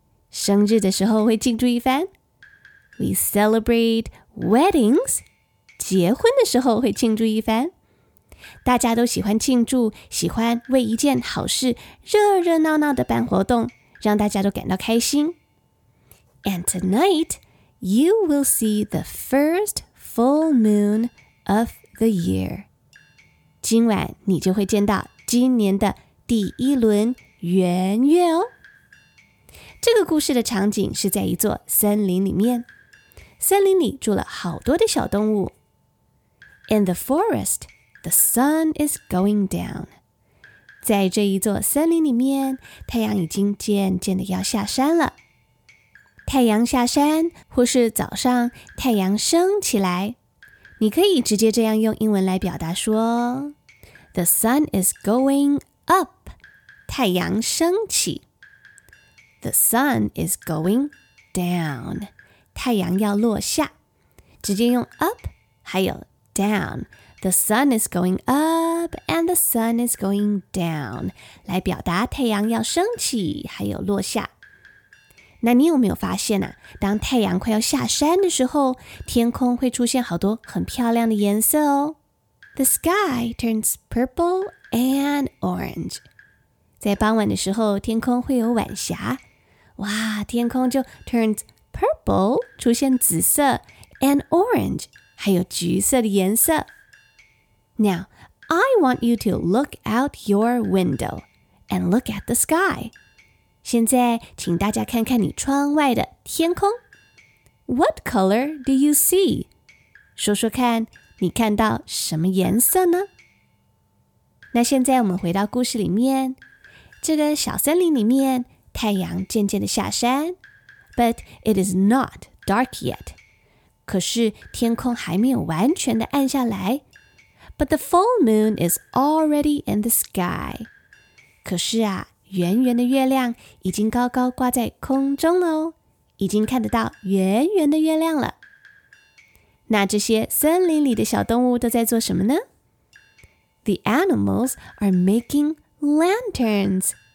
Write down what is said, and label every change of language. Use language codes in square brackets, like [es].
[zh] 生日的时候会庆祝一番。 [en] We celebrate weddings. [zh] 结婚的时候会庆祝一番。大家都喜欢庆祝，喜欢为一件好事热热闹闹的办活动，让大家都感到开心。 [en] And tonight, you will see the first full moon of the year. [zh] 今晚你就会见到今年的第一轮圆月哦。这个故事的场景是在一座森林里面，森林里住了好多的小动物。 [en] In the forest,The sun is going down. [zh] 在这一座森林里面，太阳已经渐渐的要下山了。太阳下山，或是早上太阳升起来，你可以直接这样用英文来表达说 ： [en] The sun is going up. [zh] 太阳升起。 [en] The sun is going down. [zh] 太阳要落下，直接用 up 还有 down。 [en] The sun is going up and the sun is going down. [zh] 来表达太阳要升起还有落下。那你有没有发现啊，当太阳快要下山的时候，天空会出现好多很漂亮的颜色哦。 [en] The sky turns purple and orange. [zh] 在傍晚的时候，天空会有晚霞。哇，天空就 [en] turns purple, [zh] 出现紫色 [en] and orange, [zh] 还有橘色的颜色。 [en] Now, I want you to look out your window and look at the sky. [zh] 现在请大家看看你窗外的天空。 [en] What color do you see? [zh] 说说看你看到什么颜色呢？那现在我们回到故事里面。这个小森林里面，太阳渐渐的下山。 [en] But it is not dark yet. [zh] 可是天空还没有完全的暗下来。 [en] But the full moon is already in the sky. [zh] 可是啊，圆圆的月亮已经高高挂在空中了哦，已经看得到圆圆的月亮了。那这些森林里的小动物都在做什么呢？ [en] The animals are making lanterns.